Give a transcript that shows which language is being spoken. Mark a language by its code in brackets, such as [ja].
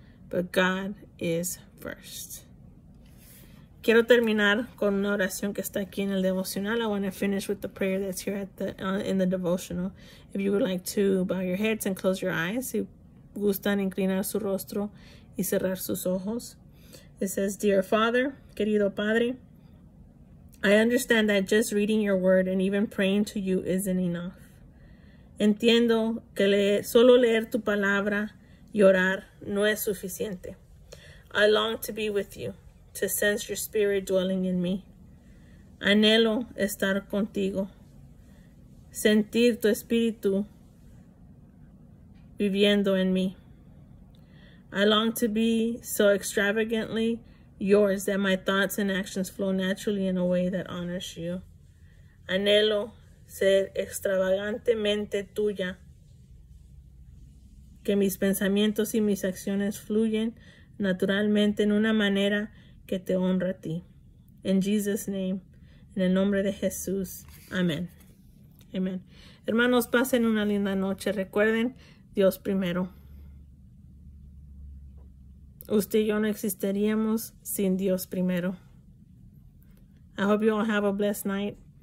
[en] But God is first. [es] Quiero terminar con una oración que está aquí en el devocional. [en] I want to finish with the prayer that's here at the in the devotional. If you would like to bow your heads and close your eyes, [es] si gustan inclinar su rostro y cerrar sus ojos. [en] It says, Dear Father, [es] querido Padre, [en] I understand that just reading your word and even praying to you isn't enough. [es] Entiendo que solo leer tu palabra y orar no es suficiente. [en] I long to be with you, to sense your spirit dwelling in me. [es] Anhelo estar contigo, sentir tu espíritu viviendo en mí. [en] I long to be so extravagantly yours that my thoughts and actions flow naturally in a way that honors you. [es] Anhelo ser extravagantemente tuya, que mis pensamientos y mis acciones fluyen naturalmente en una manera que te honra a ti. [en] In Jesus' name, [es] en el nombre de Jesús, amén. Amén. Hermanos, pasen una linda noche. Recuerden, Dios primero. Usted y yo no existiríamos sin Dios primero. [en] I hope you all have a blessed night.